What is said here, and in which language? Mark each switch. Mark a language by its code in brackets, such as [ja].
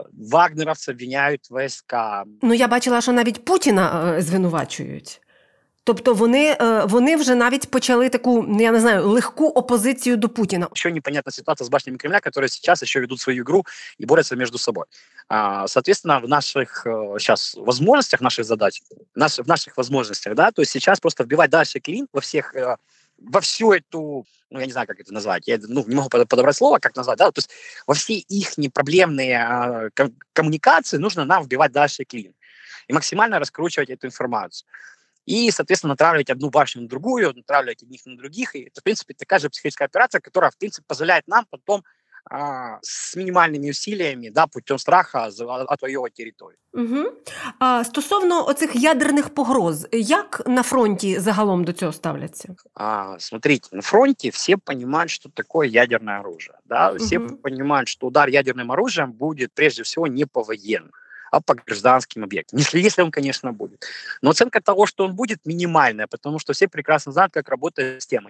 [ru] Вагнеровцы обвиняют войска. [uk] Ну, я бачила, что навіть Путіна звинувачують. Тобто вони вже навіть почали таку, я не знаю, легку опозицію до Путіна. Ще непонятна ситуація з башнями Кремля, які зараз ще ведуть свою гру і борються між собою. [ru] Соответственно, в наших сейчас возможностях, наших задач, в наших возможностях, да, то есть сейчас просто вбивать дальше клин во всех, во всю эту, ну, я не знаю, как это назвать, я, ну, не могу подобрать слово, как назвать, да, то есть во все их проблемные коммуникации нужно нам вбивать дальше клин и максимально раскручивать эту информацию. И, соответственно, натравливать одну башню на другую, натравливать одних на других. И это, в принципе, такая же психическая операция, которая, в принципе, позволяет нам потом с минимальными усилиями, да, путем страха отвоевать территорию. Угу. [uk] Стосовно оцих ядерных погроз, як на фронте загалом до цього ставляться? [ru] Смотрите, на фронте все понимают, что такое ядерное оружие. Да? Все понимают, что удар ядерным оружием будет, прежде всего, не по военным, а по гражданским объектам, если он, конечно, будет. Но оценка того, что он будет, минимальная, потому что все прекрасно знают, как работает система.